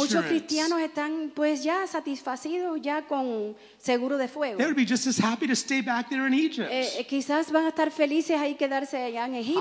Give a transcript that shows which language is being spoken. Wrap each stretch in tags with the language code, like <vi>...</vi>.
<es>Muchos cristianos están pues ya satisfacidos ya con seguro de fuego.</es> <en>They would be just as happy to stay back there in Egypt.</en> <es>Quizás van a estar felices ahí quedarse allá en Egipto.</es>